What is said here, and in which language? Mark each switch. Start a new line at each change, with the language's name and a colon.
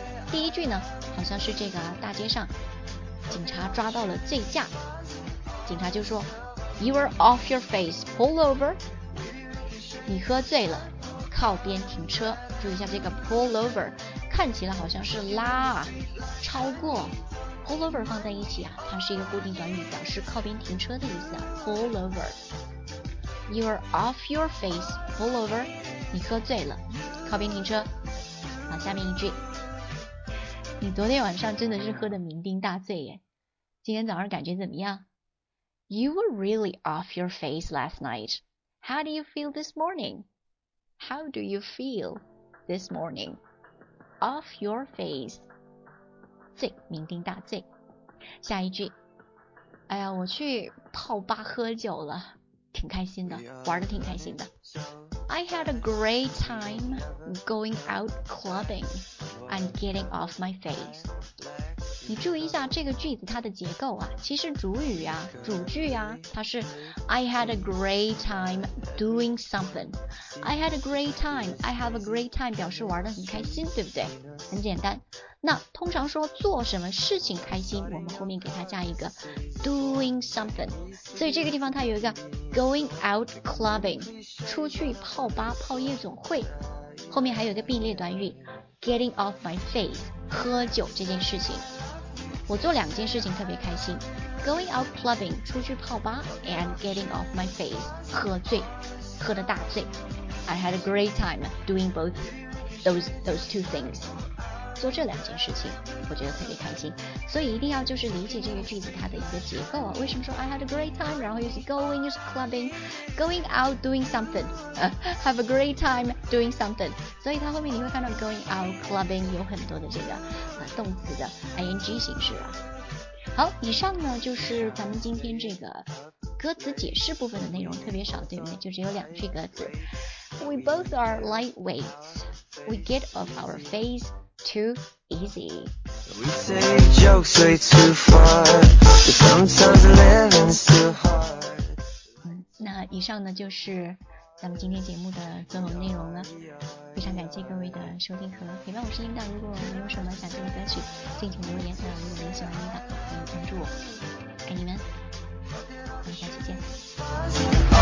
Chinese: 第一句呢好像是这个大街上警察抓到了醉驾，警察就说
English: You are off your face pull over，
Chinese: 你喝醉了靠边停车。注意一下这个 pull over， 看起来好像是拉超过， pull over 放在一起啊，它是一个固定短语表示靠边停车的意思啊。
English: pull overYou are off your face, pull over，
Chinese: 你喝醉了靠边停车。好，下面一句，你昨天晚上真的是喝得酩酊大醉耶，今天早上感觉怎么样？
English: You were really off your face last night. How do you feel this morning? How do you feel this morning? Off your face，
Chinese: 醉，酩酊大醉。下一句，哎呀，我去泡吧喝酒了，挺开心的，玩得挺开心的。
English: I had a great time going out clubbing and getting off my face。
Chinese: 你注意一下这个句子它的结构啊，其实主语啊主句啊它是
English: I had a great time doing something， I had a great time， I have a great time
Chinese: 表示玩得很开心，对不对？很简单。那通常说做什么事情开心，我们后面给它加一个 doing something， 所以这个地方它有一个
English: going out clubbing，
Chinese: 出去泡吧泡夜总会，后面还有一个并列短语
English: getting off my face，
Chinese: 喝酒这件事情。我做两件事情特别开心，
English: going out clubbing，
Chinese: 出去泡吧，
English: and getting off my face，
Chinese: 喝醉，喝得大醉。
English: I had a great time doing both those two things，
Chinese: 做这两件事情我觉得特别开心。所以一定要就是理解这个句子它的一个结构啊，为什么说
English: I had a great time，
Chinese: 然后又是 going， 又是 clubbing，
English: going out doing something， have a great time doing something，
Chinese: 所以它后面你会看到 going out clubbing 有很多的这个动词的 ing 形式啊。好，以上呢就是咱们今天这个歌词解释部分的内容，特别少对不对，就只有两句歌词。
English: We both are lightweights， We get off our face too easy。 We say jokes way too far, but sometimes living's too hard。
Chinese: 那以上呢就是咱们今天节目的所有内容了，非常感谢各位的收听和陪伴。我是领导，如果你有什么想听的歌曲敬请留言，那如果你喜欢领导可以关注我，爱你们，我们下期见。